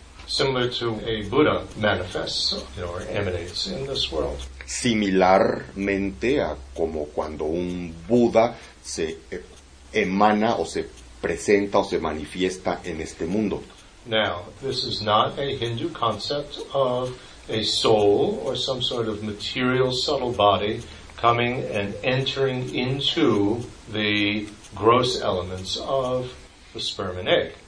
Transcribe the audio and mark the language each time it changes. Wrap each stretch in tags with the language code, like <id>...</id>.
<en>Similar to a Buddha manifests or emanates in this world.</en> <es>Similarmente a como cuando un Buda se emana o se presenta o se manifiesta en este mundo.</es> <en>Now, this is not a Hindu concept of a soul or some sort of material subtle body coming and entering into the gross elements of the sperm and egg.</en>